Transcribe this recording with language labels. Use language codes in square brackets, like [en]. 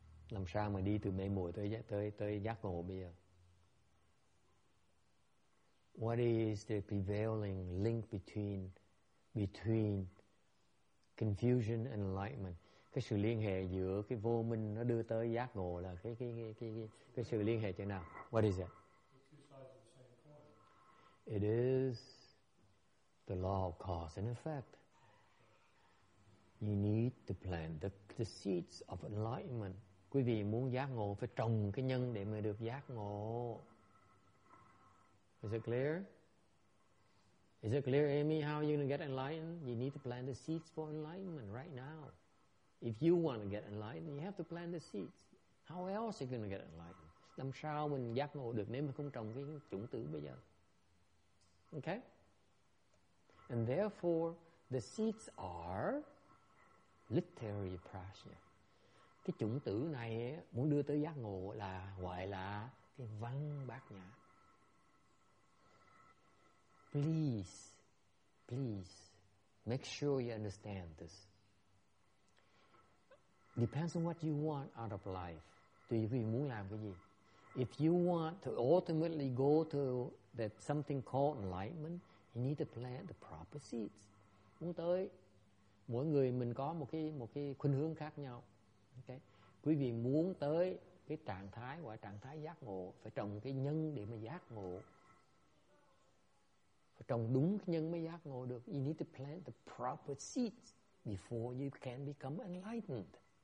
[vi] Làm sao mà đi từ mê muội tới giác ngộ bây giờ? [en] What is the prevailing link between confusion and enlightenment? [vi] Cái sự liên hệ giữa cái vô minh nó đưa tới giác ngộ là cái sự liên hệ thế nào? [en] What is it? It is the law of cause and effect. You need to plant the seeds of enlightenment. [vi] Quý vị muốn giác ngộ phải trồng cái nhân để mà được giác ngộ. [en] Is it clear? Is it clear, Amy, how you're going to get enlightened? You need to plant the seeds for enlightenment right now. If you want to get enlightened, you have to plant the seeds. How else are you going to get enlightened? [vi] Làm sao mình giác ngộ được nếu mà không trồng cái chủng tử bây giờ? Okay? [en] And therefore, the seeds are literary prajna. [vi] Cái chủng tử này muốn đưa tới giác ngộ là gọi là cái văn bát nhã. [en] Please, please, make sure you understand this. Depends on what you want out of life. [vi] Tùy quý vị muốn làm cái gì. [en] If you want to ultimately go to that something called enlightenment, you need to plant the proper seeds. [vi] Muốn tới, mỗi người mình có một cái khuynh hướng khác nhau. Okay. Quý vị muốn tới cái trạng thái gọi trạng thái giác ngộ, phải trồng cái nhân để mà giác ngộ. Phải trồng đúng cái nhân mới giác ngộ được. [en] You need to plant the proper seeds before you can become enlightened.